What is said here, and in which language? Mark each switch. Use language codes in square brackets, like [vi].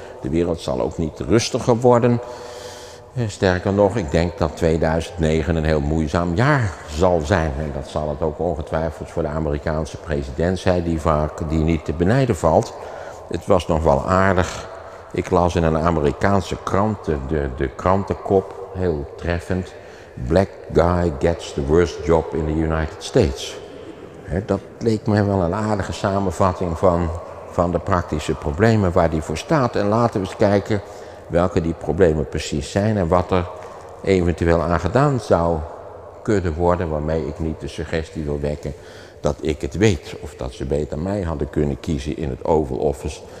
[nl] De wereld zal ook niet rustiger worden. Sterker nog, ik denk dat 2009 een heel moeizaam jaar zal zijn. En dat zal het ook ongetwijfeld voor de Amerikaanse president zijn, die niet te benijden valt. Het was nog wel aardig. Ik las in een Amerikaanse krant de krantenkop, heel treffend. [en] Black guy gets the worst job in the United States. [nl] Dat leek mij wel een aardige samenvatting van de praktische problemen waar die voor staat. En laten we eens kijken welke die problemen precies zijn en wat er eventueel aan gedaan zou kunnen worden, waarmee ik niet de suggestie wil wekken dat ik het weet of dat ze beter mij hadden kunnen kiezen in het Oval Office.